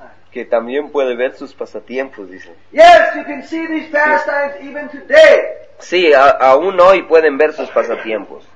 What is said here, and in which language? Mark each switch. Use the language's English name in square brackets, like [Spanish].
[Spanish] Que también puede ver sus pasatiempos, dice. [English] Yes, you can see these pastimes even today. [Spanish] Sí, aún hoy pueden ver sus pasatiempos.